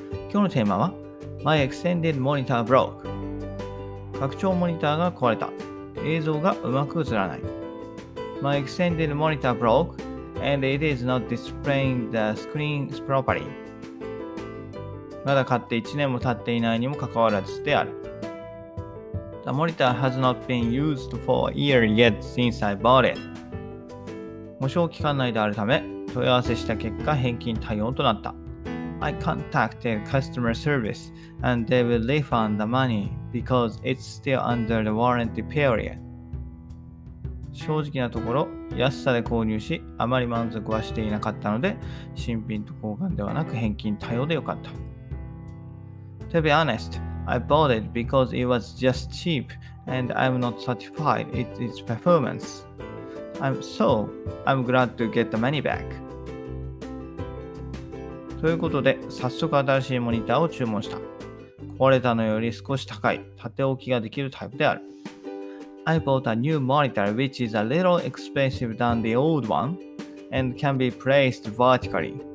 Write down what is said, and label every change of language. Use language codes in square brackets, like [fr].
[ja] 今日のテーマは [en] My Extended Monitor Broke。 [ja] 拡張モニターが壊れた。映像がうまく映らない。 [en] My Extended Monitor Broke and it is not displaying the screen properly。 [ja] まだ買って1年も経っていないにもかかわらずである。 [en] The monitor has not been used for a year yet since I bought it。 [ja] 保証期間内であるため問い合わせした結果返金対応となった。 [en] I contacted customer service and they will refund the money because it's still under the warranty period。 [ja] 正直なところ安さで購入しあまり満足はしていなかったので新品と交換ではなく返金対応でよかった。 [en] To be honest, I bought it because it was just cheap and I'm not satisfied with its performance。 I'm glad to get the money back。 [ja] ということで早速新しいモニターを注文した。壊れたのより少し高い縦置きができるタイプである。 [en] I bought a new monitor which is a little expensive than the old one and can be placed vertically。